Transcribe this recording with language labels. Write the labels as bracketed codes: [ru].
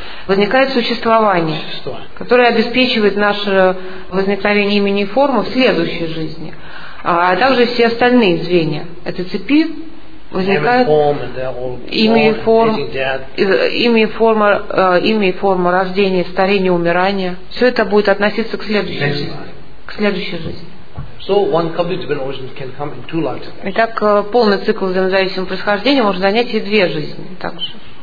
[ru] Возникает существование, которое обеспечивает наше возникновение имени и формы в следующей жизни. А также все остальные звенья этой цепи возникают имя и форма рождения, старения, умирания. Все это будет относиться к следующей жизни. [en] So one complete divine origin can come in two lives. [ru] Итак, полный цикл взаимозависимого происхождения может занять и две жизни также.